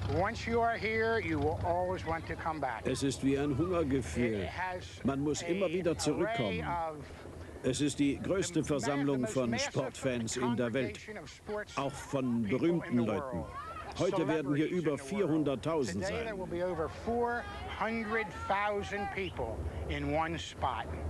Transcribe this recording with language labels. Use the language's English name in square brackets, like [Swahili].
[English] Once you are here, you will always want to come back. [German] Es ist wie ein Hungergefühl. Man muss immer wieder zurückkommen. Es ist die größte Versammlung von Sportfans in der Welt, auch von berühmten Leuten. Heute werden hier über 400.000 sein. [English] Today there will be over 400,000 people in one spot.